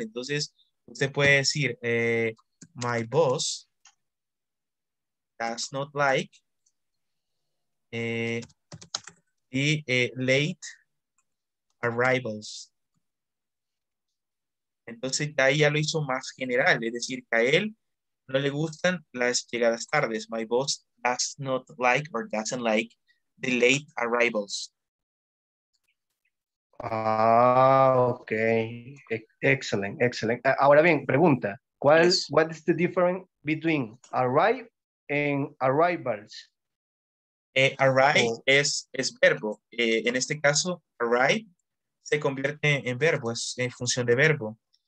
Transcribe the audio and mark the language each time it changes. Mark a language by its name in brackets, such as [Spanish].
[Spanish] Entonces, usted puede decir, [English] my boss does not like late arrivals. [Spanish] Entonces, ahí ya lo hizo más general, es decir, que a él no le gustan las llegadas tardes. [English] My boss does not like or doesn't like the late arrivals. Ah, ok. Excellent, excellent. [Spanish] Ahora bien, pregunta. [English] What is the difference between arrive and arrivals? [Spanish] Arrive es verbo. En este caso, arrive se convierte en verbo, es en función de verbo.